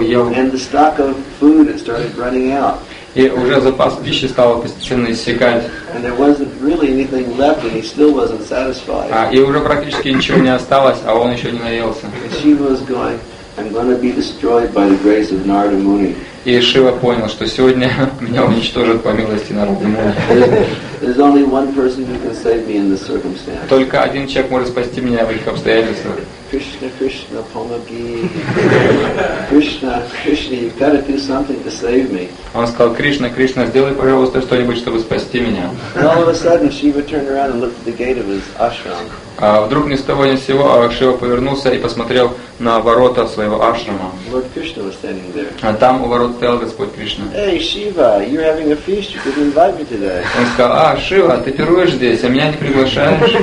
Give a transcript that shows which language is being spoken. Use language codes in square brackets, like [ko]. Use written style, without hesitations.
[en] And the stock of food started running out. [ru] И уже запас пищи стал постепенно иссякать. [en] And there wasn't really anything left, and he still wasn't satisfied. [ru] И уже практически ничего не осталось, а он еще не наелся. [en] And Shiva was going, "I'm going to be destroyed by the grace of Narada Muni." [ru] И Шива понял, что сегодня меня уничтожат по милости Нарада Муни. [en] There's only one person who can save me in this circumstance. [ru] Только один человек может спасти меня в этих обстоятельствах. [en] Krishna, Krishna, [ru] помоги. [en] Krishna, Krishna, you've got to do something to save me. [ru] Он сказал: Кришна, Кришна, сделай, пожалуйста, что-нибудь, чтобы спасти меня. [en] And all of a sudden, Shiva turned around and looked at the gate of his ashram. [ru] А вдруг ни с того ни с сего Шива повернулся и посмотрел на ворота своего ашрама. [en] Lord Krishna was standing there. [ru] А там у ворот стоял Господь Кришна. [en] Hey, Shiva, you're having a feast. You didn't invite me today. [ru] Он сказал: «А, Шива, ты пируешь здесь, а меня не приглашаешь?»